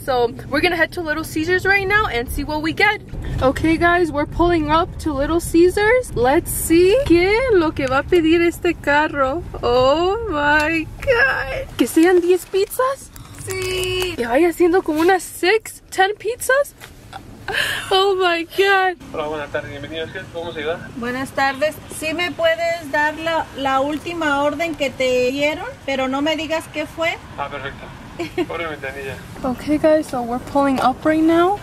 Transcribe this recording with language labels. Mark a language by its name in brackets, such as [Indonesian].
[English] So we're gonna head to Little Caesar's right now and see what we get. Okay, guys, we're pulling up to Little Caesar's. Let's see. [Spanish] ¿Qué lo que va a pedir este carro? [English] Oh, my God. [Spanish] ¿Que sean 10 pizzas? Sí. ¿Y vaya haciendo como unas 6? 10 pizzas? [English] Oh my God. [Spanish] Hola, buenas tardes. Bienvenidos. ¿Cómo se ayuda? Buenas tardes. ¿Sí me puedes dar la última orden que te dieron? Pero no me digas qué fue. Ah, perfecto. Por la ventanilla. [English] Okay, guys, so we're pulling up right now.